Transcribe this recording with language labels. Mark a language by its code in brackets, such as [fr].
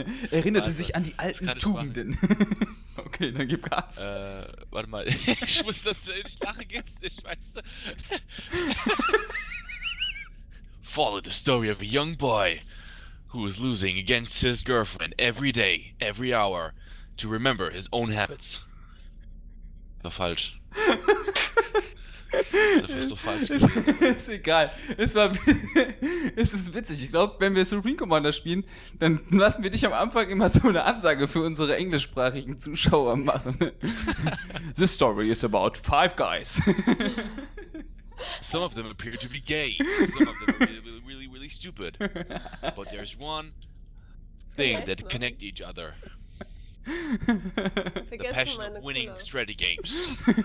[de] Erinnerte sich an die alten Tugenden. Okay, dann gib Gas. Warte mal, ich muss das, ich lache jetzt nicht, weißt du? [en] Follow the story of a young boy who is losing against his girlfriend every day, every hour to remember his own habits. [de] War falsch. Das ist so falsch. Ist egal. Es ist witzig. Ich glaube, wenn wir Supreme Commander spielen, dann lassen wir dich am Anfang immer so eine Ansage für unsere englischsprachigen Zuschauer machen. [en] This story is about five guys. Some of them appear to be gay. Some of them are really, really stupid. But there's one thing that connect each other. The passion of winning strategy games.